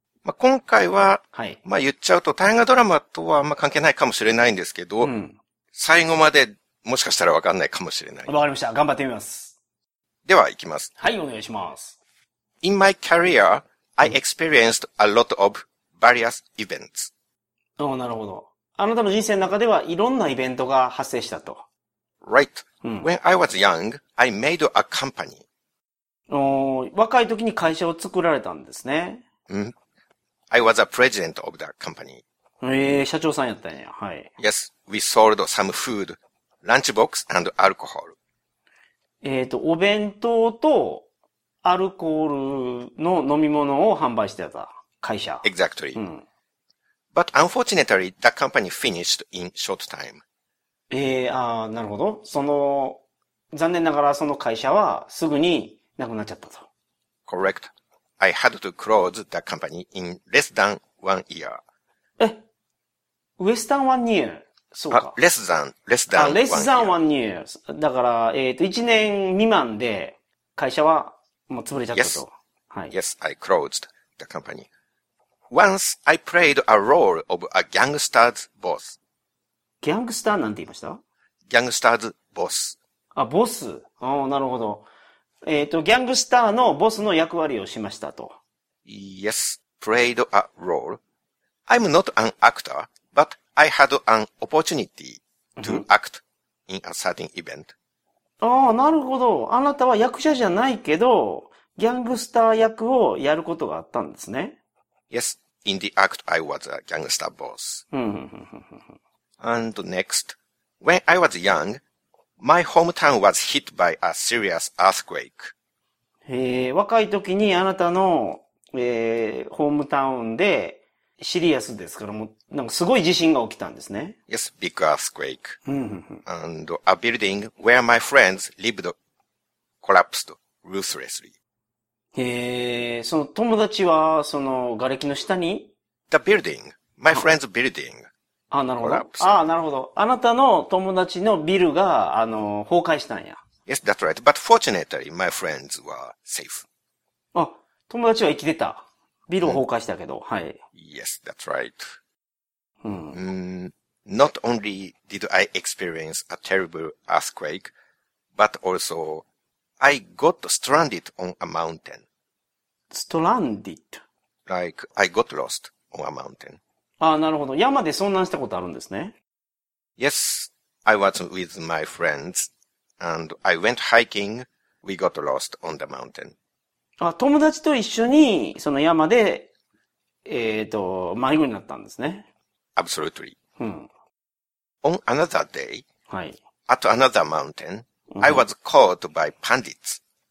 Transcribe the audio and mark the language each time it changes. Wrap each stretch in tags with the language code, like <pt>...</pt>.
<ja>まあ、今回は、はい、まあ、言っちゃうと、大河ドラマとはあんま関係ないかもしれないんですけど、うん、最後までもしかしたらわかんないかもしれない。わかりました。頑張ってみます。では、いきます。はい、お願いします。</ja> <en>In my career, I experienced a lot of various events.</en> <ja>ああ、なるほど。あなたの人生の中ではいろんなイベントが発生したと。</ja> <en>Right.、うん、When I was young, I made a company.</en> <ja>お、若い時に会社を作られたんですね。</ja> <en>うん。I was a president of the company.</en> <ja>社長さんやったんや。はい。</ja> <en>Yes, we sold some food, lunchbox and alcohol.</en> <ja>お弁当とアルコールの飲み物を販売してた会社。</ja> <en>Exactly.、うん、But unfortunately, the company finished in short time.</en> <ja>なるほど。その、残念ながらその会社はすぐになくなっちゃったと。</ja> <en>Correct. I had to close the company in less than 1 year. Less than 1 year.</en> <ja>そうか。</ja> <en>Less than one year.</en> <ja>だから、1年未満で会社はもう潰れちゃったと。</ja> <en>Yes.</en> <ja>はい。</ja> <en>Yes, I closed the company. Once I played a role of a gangster's boss.</en> <ja>ギャングスターなんて言いました？</ja> <en>ギャングスターズボス。</en> <ja>あ、ボス。あ、なるほど。ギャングスターのボスの役割をしましたと。</ja> <en>Yes, played a role. I'm not an actor, but I had an opportunity to act in a certain event.</en> <ja>ああ、なるほど。あなたは役者じゃないけど、ギャングスター役をやることがあったんですね。</ja> <en>Yes, in the act I was a gangster boss. And next, when I was young,My hometown was hit by a serious earthquake.</en> <ja>若い時にあなたの、ホームタウンでシリアスですから、もうなんかすごい地震が起きたんですね。</ja> <en>Yes, big earthquake. And a building where my friends lived collapsed ruthlessly.</en> <ja>その友達はその瓦礫の下に</ja> <en>?The building. My friend's building.</en> <ja>あ、なるほど。ああ、なるほど。あなたの友達のビルが、崩壊したんや。</ja> <en>Yes, that's right. But fortunately, my friends were safe.</en> <ja>あ、友達は生きてた。ビルを崩壊したけど、はい。</ja> <en>Yes, that's right.、</en> <ja>うん、</ja> <en>Not only did I experience a terrible earthquake, but also I got stranded on a mountain. Stranded? Like, I got lost on a mountain.</en> <ja>ああ、なるほど。山で遭難したことあるんですね。</ja> <en>Yes, I was with my friends, and I went hiking. We got lost on the mountain.</en> <ja>あ、友達と一緒に、その山で、迷子になったんですね。</ja> <en>Absolutely.、</en> <ja>うん、</ja> <en>on another day,、</en> <ja>はい、</ja> <en>at another mountain,、うん、I was caught by pandits.</en>